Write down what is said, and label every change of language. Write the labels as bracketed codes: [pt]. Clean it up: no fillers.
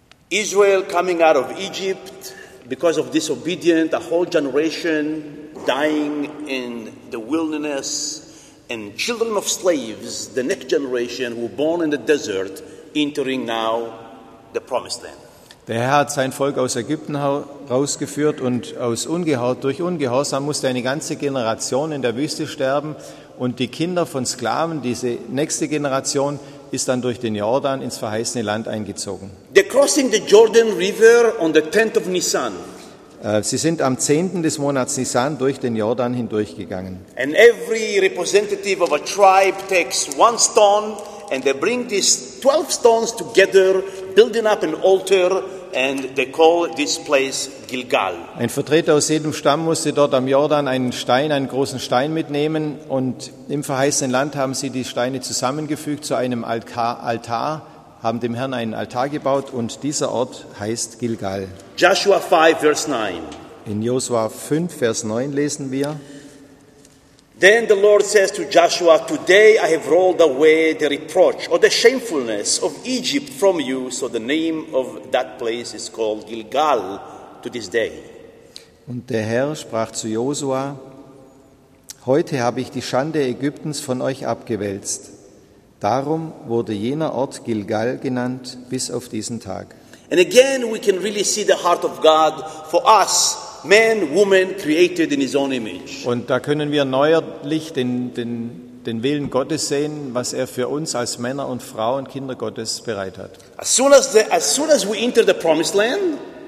[en] Israel coming out of Egypt because of disobedience, a whole generation dying in the wilderness. And children of slaves, the next generation who were born in the desert, entering now the promised land. [de] Der Herr hat sein Volk aus Ägypten herausgeführt und durch Ungehorsam musste eine ganze Generation in der Wüste sterben. Und die Kinder von Sklaven, diese nächste Generation, ist dann durch den Jordan ins verheißene Land eingezogen. [en] They're crossing the Jordan River on the 10th of Nisan. [de] Sie sind am 10. des Monats Nisan durch den Jordan hindurchgegangen. [en] And every representative of a tribe takes one stone and they bring these 12 stones together, building up an altar, and they call this place Gilgal. [de] Ein Vertreter aus jedem Stamm musste dort am Jordan einen großen Stein mitnehmen, und im verheißenen Land haben sie die Steine zusammengefügt zu einem Altar, haben dem Herrn einen Altar gebaut, und dieser Ort heißt Gilgal. [en] Joshua 5, verse 9. [de] In Joshua 5, Vers 9 lesen wir: [en] Then the Lord says to Joshua, today I have rolled away the reproach or the shamefulness of Egypt from you, so the name of that place is called Gilgal to this day. [de] Und der Herr sprach zu Joshua: Heute habe ich die Schande Ägyptens von euch abgewälzt. Darum wurde jener Ort Gilgal genannt bis auf diesen Tag. [en] And again we can really see the heart of God for us. Man, woman created in his own image. [de] Und da können wir neuerlich den Willen Gottes sehen, was er für uns als Männer und Frauen und Kinder Gottes bereit hat. [en] As soon as we enter the promised land,